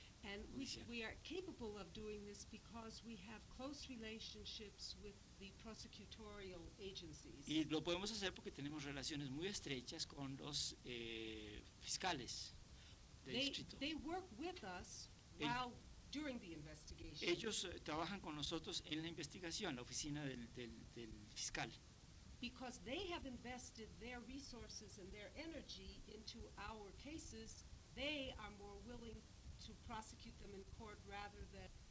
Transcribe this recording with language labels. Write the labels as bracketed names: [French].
[English] And we are capable of doing this because we have close relationships with the prosecutorial agencies. [Spanish] Y lo podemos hacer porque tenemos relaciones muy estrechas con los fiscales de distrito. [English] They work with us while during the investigation. [Spanish] Ellos trabajan con nosotros en la investigación, la oficina del fiscal. [English] Because they have invested their resources and their energy into our cases, they are more willing to prosecute them in court rather than